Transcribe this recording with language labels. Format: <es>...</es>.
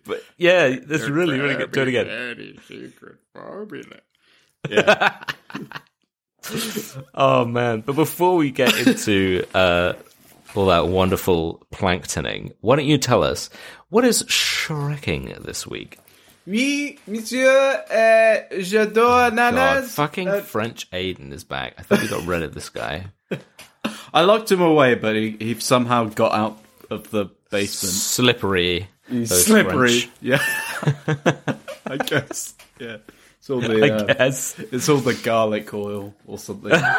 <en>But yeah, that's really, really good. Do it again. Secret formula. Yeah. Oh man, but before we get into all that wonderful planktoning, why don't you tell us what is shrekking this week?</en> <fr>Oui, monsieur, j'adore ananas.</fr> <en>God, fucking French Aiden is back. I thought we got rid of this guy. I locked him away, but he somehow got out of the basement. Slippery. He's slippery. French. Yeah. I guess. Yeah. It's all the garlic oil or something.</en>